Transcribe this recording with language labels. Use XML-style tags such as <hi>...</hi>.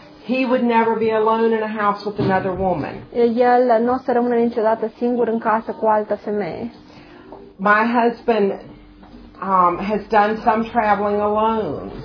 <en>He would never be alone in a house with another woman.</en> <ro>El nu o să rămână niciodată singur în casă cu o altă femeie.</ro> <en>My husband has done some traveling alone.</en>